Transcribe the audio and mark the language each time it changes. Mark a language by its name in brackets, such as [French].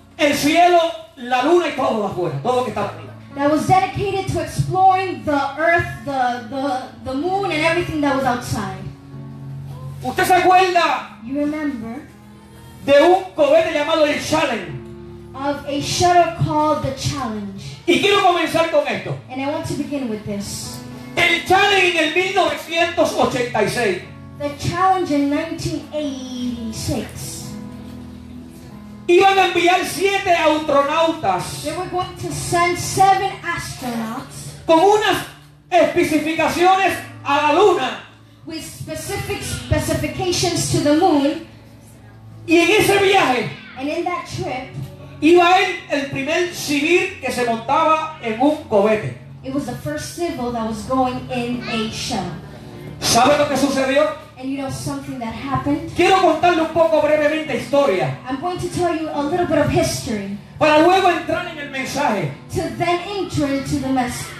[Spanish] El cielo, la luna y todo afuera, todo lo que estaba arriba. [English] That was dedicated to exploring the earth, the moon and everything that was outside. [Spanish] ¿Usted se acuerda? [English] You remember? [Spanish] De un cohete llamado el Challenge. [English] Of a shuttle called the Challenge. [Spanish] Y quiero comenzar con esto. [English] And I want to begin with this. [Spanish] El Challenge en el 1986. [English] The Challenge in 1986. [Spanish] Iban a enviar 7 astronautas. [English] They were going to send 7 astronauts. [Spanish] Con unas especificaciones a la luna. [English] With specific specifications to the moon. [Spanish] Y en ese viaje. [English] And in that trip. [Spanish] Iba el primer civil que se montaba en un cohete. [English] It was the first civil that was going in a shuttle. [Spanish] ¿Sabe lo que sucedió? [English] And you know something that happened? [Spanish] Quiero contarle un poco brevemente historia. [English] I'm going to tell you a little bit of history. [Spanish] Para luego entrar en el mensaje. [English] To then enter into the message.